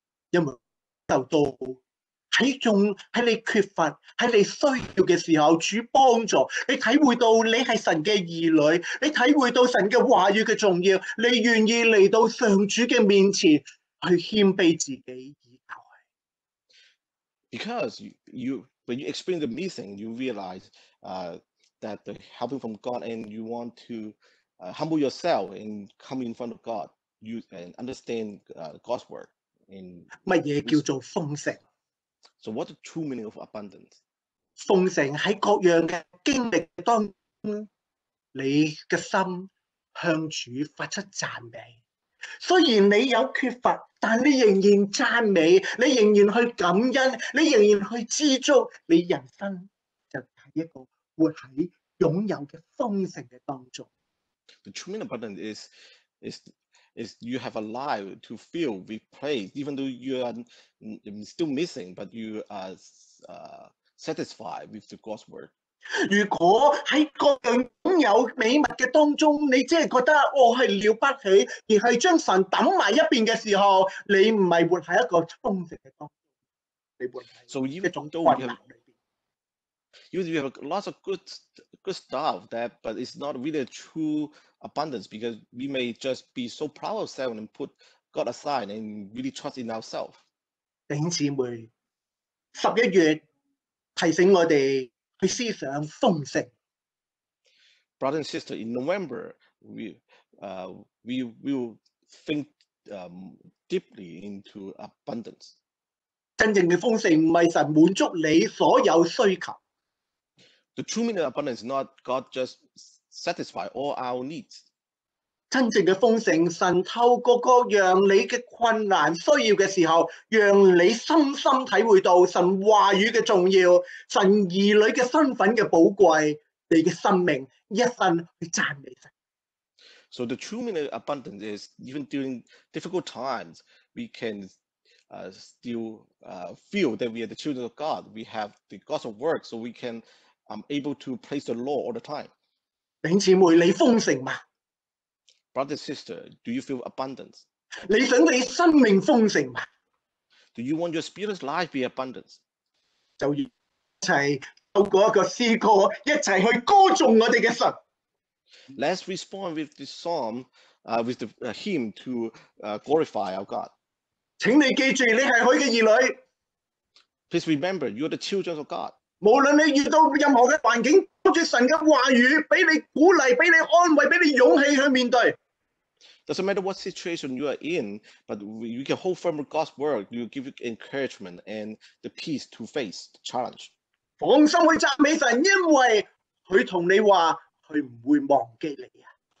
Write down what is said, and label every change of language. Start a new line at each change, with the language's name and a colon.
Cantonese: 因为受到喺众喺你缺乏喺你需要嘅时候，主帮助你体会到你系神嘅儿女，你体会到神嘅话语嘅重要，你愿意嚟到上主嘅面前去谦卑自己以待。
English: Because when you experience the missing, you realize that the helping from God, and you want to humble yourself and come in front of God, you and understand God's work.
Cantonese: 乜嘢叫做丰盛
English: ？So what's the true meaning of abundance？
Cantonese: 丰盛喺各样嘅经历当中，你嘅心向主发出赞美。虽然你有缺乏，但你仍然赞美，你仍然去感恩，你仍然去知足，你人生就系一个活喺拥有嘅丰盛嘅当中。
English: The true meaning of abundance is you have a life to fill with praise, even though you are still missing, but you are satisfied with the God's word.
Cantonese: 如果喺各样拥有美物嘅当中，你只系觉得我系了不起，而系将神抌埋一边嘅时候，你唔系活喺一个丰盛嘅当中，你活喺一种困难里边。
English: You have lots of good stuff, that but it's not really a true abundance, because we may just be so proud of ourselves and put God aside and really trust in ourselves.
Cantonese: 弟兄姊妹，十一月提醒我哋去思想丰盛。
English: Brother and sister, in November we will think deeply into abundance.
Cantonese: 真正嘅丰盛唔系神满足你所有需求。
English: The true meaning of abundance is not God just satisfy all our needs.
Cantonese: 真正的丰盛，神透过各样你的困难需要的时候，让你深深体会到神话语的重要，神儿女的身份的宝贵，你的生命一生去赞美神。
English: So the true meaning of abundance is even during difficult times, we can feel that we are the children of God. We have the gospel work, so we can. I'm able to praise the Lord all the time.
Cantonese: 弟兄姊妹，你丰盛吗？
English: Brother, sister, do you feel abundance?
Cantonese: 你想你生命丰盛吗？
English: Do you want your spiritual life be abundance?
Cantonese: 就一起透过一个诗歌，一起去歌颂我哋嘅神。
English: Let's respond with the psalm, with the hymn to glorify our God.
Cantonese: 请你记住，你系佢嘅儿女。
English: Please remember, you are the children of God.
Cantonese: 无论你遇到任何嘅环境，靠住神嘅话语，俾你鼓励，俾你安慰，俾你勇气去面对。
English: Doesn't matter what situation you are in, but you can hold firm with God's word. You give encouragement and the peace to face the challenge.
Cantonese: 放心去赞美神，因为佢同你话，佢唔会忘记你啊。